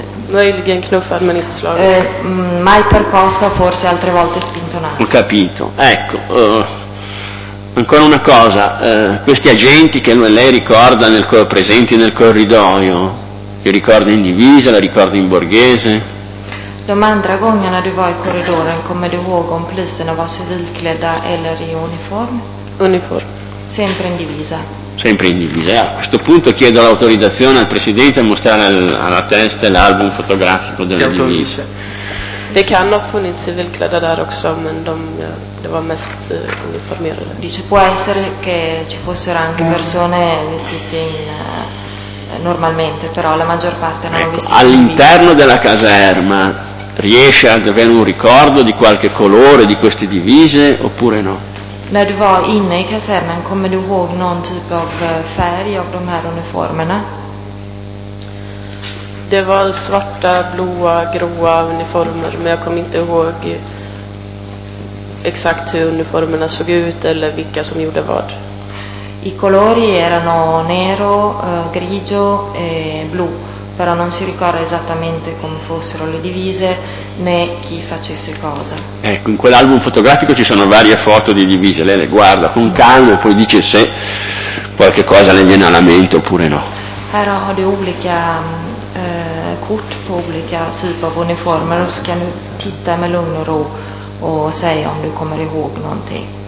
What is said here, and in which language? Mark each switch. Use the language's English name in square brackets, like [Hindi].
[Swedish] Möjligen knuffad, men inte slagen. [Italian] Mai percossa, forse altre volte spintonato. Ho capito. Ecco, ancora una cosa. Questi agenti che lei ricorda nel presenti nel corridoio, li ricorda in divisa, la ricorda in borghese? [Swedish] De andra gångerna du var i korridoren, kommer du ihåg om poliserna var civilklädda eller i uniform? Uniform. [Italian] Sempre in divisa. Sempre in divisa. A questo punto chiedo l'autorizzazione al presidente a mostrare alla testa l'album fotografico delle divise. [Swedish] Det kan ha funnits civilklädda där också, men det var mest uniformerade. [Italian] Dice può essere che ci fossero anche persone vestite normalmente, però la maggior parte non vestite. All'interno della caserma riesce ad avere un ricordo di qualche colore di queste divise oppure no? [Swedish] När du var inne i kasernen, kommer du ihåg någon typ av färg av de här uniformerna? Det var svarta, blåa, gråa uniformer, men jag kommer inte ihåg exakt hur uniformerna såg ut eller vilka som gjorde vad. [Italian] I colori erano nero, grigio e blu, però non si ricorda esattamente come fossero le divise né chi facesse cosa. Ecco, in quell'album fotografico ci sono varie foto di divise, lei le guarda con calma e poi dice se qualche cosa le viene alla mente oppure no. Però ho di [Swedish] olika kort på olika typer av uniformer och så kan du titta med lugn och ro och säga om du kommer ihåg någonting.